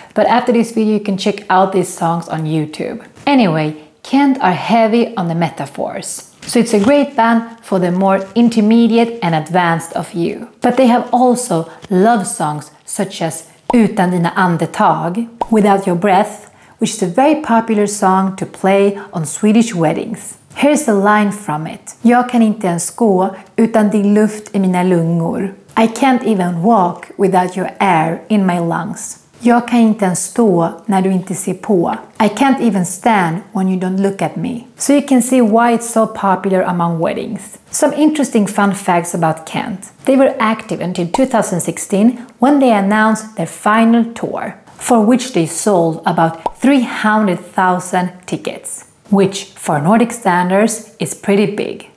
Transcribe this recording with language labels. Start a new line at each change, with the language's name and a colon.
English: But after this video, you can check out these songs on YouTube. Anyway, Kent are heavy on the metaphors, so it's a great band for the more intermediate and advanced of you. But they have also love songs such as Utan dina andetag, Without Your Breath, which is a very popular song to play on Swedish weddings. Here's a line from it.
Swedish: Jag kan inte ens gå utan din luft i mina lungor.
English: I can't even walk without your air in my lungs.
Swedish: Jag kan inte ens stå när du inte ser på.
English: I can't even stand when you don't look at me. So you can see why it's so popular among weddings. Some interesting fun facts about Kent. They were active until 2016 when they announced their final tour, for which they sold about 300,000 tickets, which for Nordic standards is pretty big.